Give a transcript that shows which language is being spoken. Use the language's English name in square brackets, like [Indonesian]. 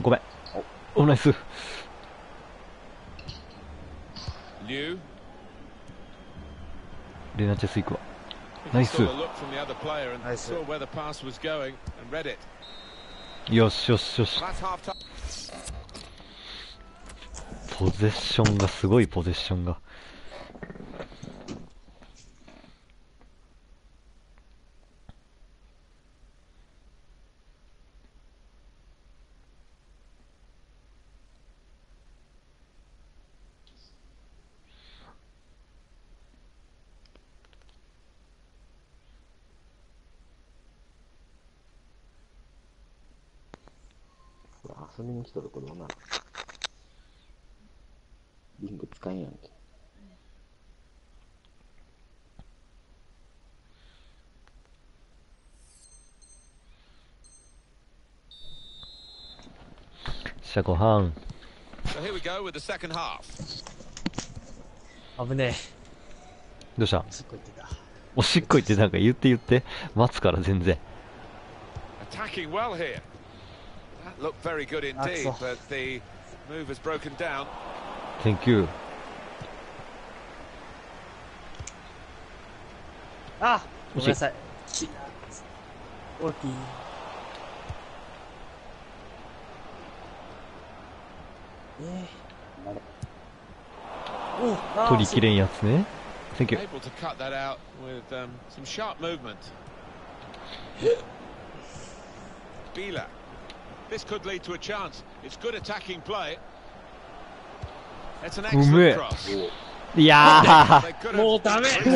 [Japanese] ごめん。お、ナイス。 Liu. レナチェス行くわ。ナイス。 [English] He saw a look from the other player and saw where the pass was going and read it. [Japanese] よしよしよし。ポゼッションがすごい、ポゼッションが。遊びに来とる子どもな、リング使えんやんけ。シャコハン。 [English] So here we go with the second half. [Japanese] 危ねえ。どうした？おしっこ行ってた。おしっこ行ってなんか言って言って待つから全然。 [English] Attacking well here. Looked very good indeed, but the move has broken down. Thank you. Ah, sorry. Okay. [Japanese] Oh, 取りきれんやつね。 [English] Thank you. Able to cut that out with some sharp movement. Bila. This could lead to a chance. It's good attacking play. It's an excellent cross. Yeah. [Japanese] もうダメ。